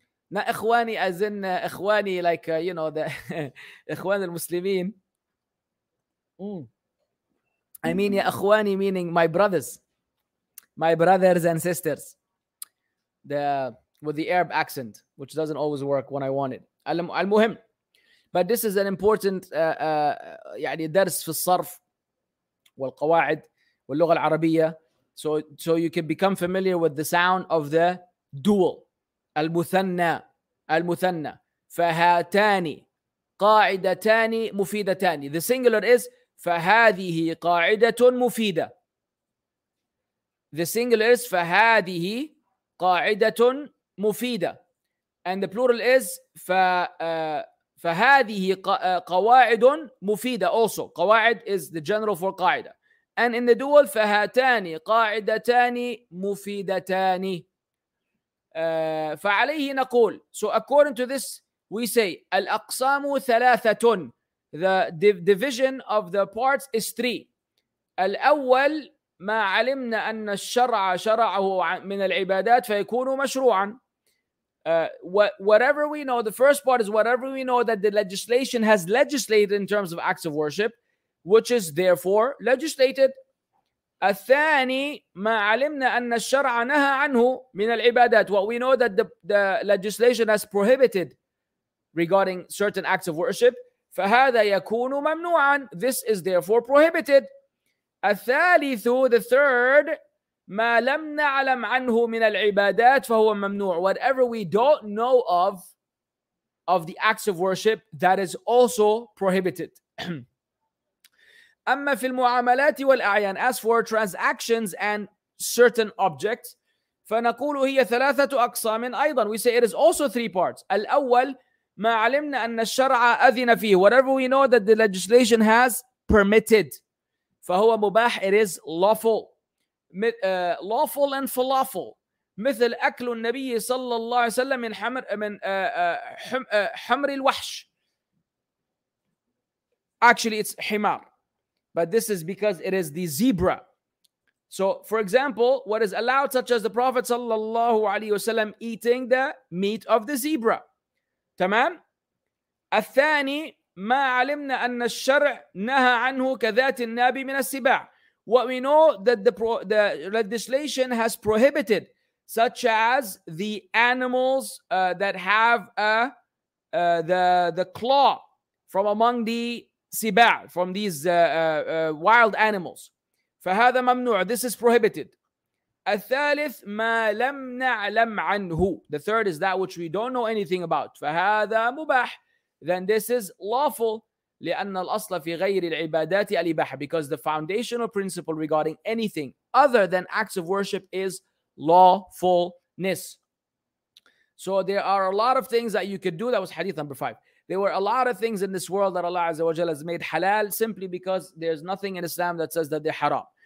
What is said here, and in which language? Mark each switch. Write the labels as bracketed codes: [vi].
[en] Not إخواني as in إخواني, like you know, the إخوان المسلمين. I mean يا إخواني, meaning my brothers and sisters, with the Arab accent, which doesn't always work when I want it. [ar] المهم, [en] but this is an important [ar] يعني درس في الصرف والقواعد واللغة العربية. [en] So you can become familiar with the sound of the dual. [ar] المثنى. فهاتان قاعدتان مفيدتان. [en] The singular is [ar] فهذه قاعدة مفيدة. [en] The singular is [ar] فهذه قاعدة مفيدة. [en] And the plural is [ar] فهذه قواعد مفيدة [en] also. قواعد is the general for قاعدة. And in the dual, [ar] فهاتان قاعدتان مفيدتان. فعليه نقول. [en] So according to this, we say [ar] الأقسام ثلاثة. [en] The division of the parts is three. [ar] الأول ما علمنا أن الشرع شرعه من العبادات فيكون مشروعا. [en] Whatever we know, the first part is whatever we know that the legislation has legislated in terms of acts of worship, which is therefore legislated. [ar] الثاني ما علمنا أن الشرع نهى عنه من العبادات. [en] What we know that the legislation has prohibited regarding certain acts of worship. [ar] فهذا يكون ممنوعا. [en] This is therefore prohibited. الثالث, the third, [ar] ما لم نعلم عنه من العبادات فهو ممنوع. [en] Whatever we don't know of the acts of worship, that is also prohibited. [ar] أما في المعاملات والأعيان, [en] as for transactions and certain objects, [ar] فنقول هي ثلاثة أقسام أيضا. [en] We say it is also three parts. [ar] الأول ما علمنا أن الشرع أذن فيه. [en] Whatever we know that the legislation has permitted, [ar] فهو مباح. [en] It is lawful. Lawful and falafel. [ar] مثل أكل النبي صلى الله عليه وسلم من حمر من حمر الوحش. [en] Actually, it's حمار. But this is because it is the zebra. So, for example, what is allowed, such as the Prophet sallallahu alayhi wasallam eating the meat of the zebra. [ar] تمام؟ الثاني ما علمنا أن الشرع نهى عنه كذات النابي من السباع. [en] What we know that the legislation has prohibited, such as the animals that have the claw from among the سباع, from these wild animals. [ar] فهذا ممنوع. [en] This is prohibited. [ar] الثالث ما لم نعلم عنه. [en] The third is that which we don't know anything about. [ar] فهذا مباح. [en] Then this is lawful. [ar] لأن الأصل في غير العبادات الإباحة. [en] Because the foundational principle regarding anything other than acts of worship is lawfulness. So there are a lot of things that you could do. That was hadith number 5. There were a lot of things in this world that Allah Azza wa Jalla has made halal simply because there's nothing in Islam that says that they're haram.